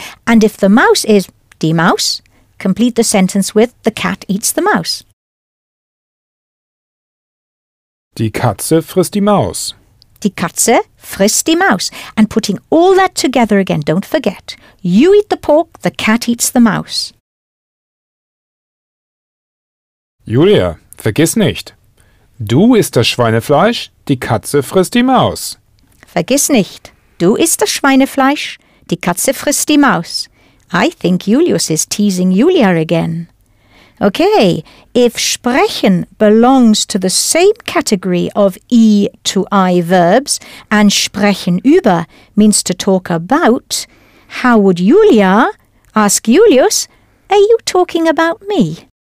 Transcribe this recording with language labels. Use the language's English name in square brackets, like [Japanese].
[English] And if the mouse is die Maus, complete the sentence with the cat eats the mouse. [German] Die Katze frisst die Maus. Die Katze frisst die Maus. [English] And putting all that together again, don't forget. You eat the pork, the cat eats the mouse. [German] Julia, vergiss nicht. Du isst das Schweinefleisch, die Katze frisst die Maus. Vergiss nicht, du isst das Schweinefleisch, die Katze frisst die Maus. [English] I think Julius is teasing Julia again. Okay, if sprechen belongs to the same category of E to I verbs and sprechen über means to talk about, how would Julia ask Julius, are you talking about me?